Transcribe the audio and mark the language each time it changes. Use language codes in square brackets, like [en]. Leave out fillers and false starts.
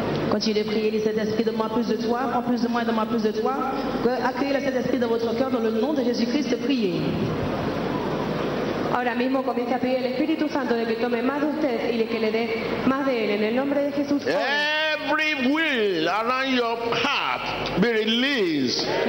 [fr] Continue de prier, les Saint-Esprit, donne-moi plus de toi, prends plus de moi, donne-moi plus de toi. Accueillez le Saint-Esprit dans votre cœur, dans le nom de Jésus-Christ, priez. [es] Ahora mismo comienza a pedir al Espíritu Santo de que tome más de usted y de que le dé más de él, en el nombre de Jesús. [en] Every will around your heart be released.